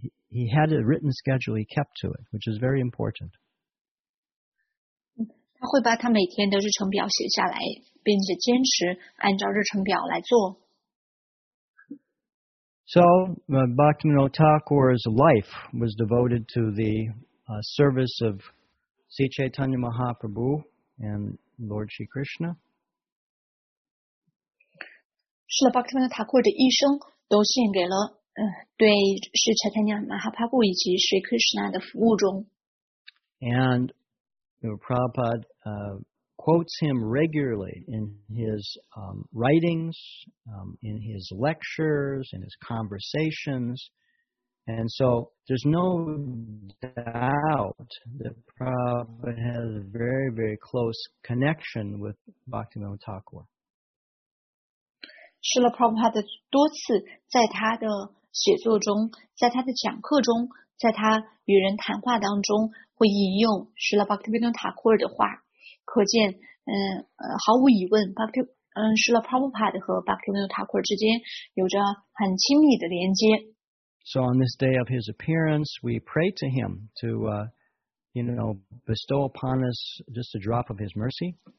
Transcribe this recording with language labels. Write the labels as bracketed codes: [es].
[en] He had a written schedule. He kept to it, which is very important. [zh] 他会把他每天的日程表写下来, 并且坚持按照日程表来做。 [en] So, Bhaktivinoda Thakur's life was devoted to the service of Sri Chaitanya Mahaprabhu and Lord Sri Krishna. [zh] 是的,Bhaktivinoda Thakur的一生都献给了对Sri Chaitanya Mahaprabhu 以及Sri Krishna的服务中。 [en] And Prabhupada quotes him regularly in his writings, in his lectures, in his conversations. And so there's no doubt that Prabhupada has a very, very close connection with Bhaktivinoda Thakur. [zh] 是的, Prabhupada 多次在他的写作中,在他的讲课中, 在他与人谈话当中, 会引用Srila Bhaktivinoda Thakur的话, 可见, 毫无疑问, Srila Prabhupada 和 Bhaktivinoda Thakur之间 有着很亲密的连接。 [en] So on this day of his appearance, we pray to him to, you know, bestow upon us just a drop of his mercy.